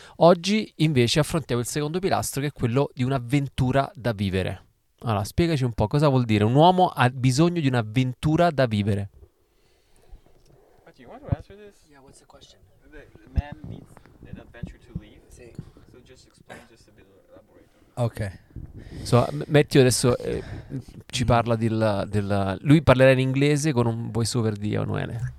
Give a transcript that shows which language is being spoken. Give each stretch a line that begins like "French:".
Italian: Oggi invece affrontiamo il secondo pilastro, che è quello di un'avventura da vivere. Allora, spiegaci un po' cosa vuol dire. Un uomo ha bisogno di un'avventura da vivere.
English: You want to answer this? Yeah, what's the question? The man needs an adventure to leave.
Italian: Sì.
English: So just explain just a bit, elaborate. Ok.
Italian: So, Matthew adesso ci parla del lui parlerà in inglese con un voice over di Emanuele.